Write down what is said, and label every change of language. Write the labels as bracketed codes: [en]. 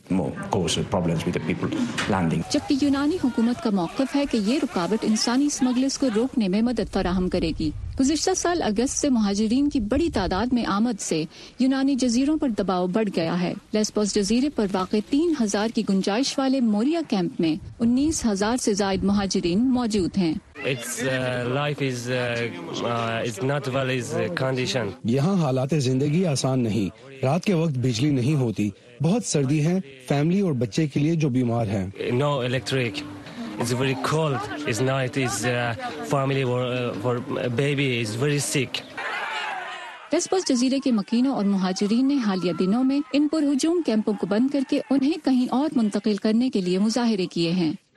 [ur] جبکہ یونانی حکومت کا موقف ہے کہ یہ رکاوٹ انسانی اسمگلرز کو روکنے میں مدد فراہم کرے گی۔ گزشتہ سال اگست سے مہاجرین کی بڑی تعداد میں آمد سے یونانی جزیروں پر دباؤ بڑھ گیا ہے۔ لیسبوس جزیرے پر واقع 3,000 کی گنجائش والے موریا کیمپ میں 19,000 سے زائد مہاجرین موجود ہیں۔ یہاں حالات زندگی آسان نہیں، رات کے وقت بجلی نہیں ہوتی، بہت سردی ہے، فیملی اور بچے کے لیے جو بیمار ہیں۔ [en] No electric, it's very cold, it's night, it's family for baby is very sick۔ [ur] لیسبوس جزیرے کے مکینوں اور مہاجرین نے حالیہ دنوں میں ان پر ہجوم کیمپوں کو بند کر کے انہیں کہیں اور منتقل کرنے کے لیے مظاہرے کیے ہیں۔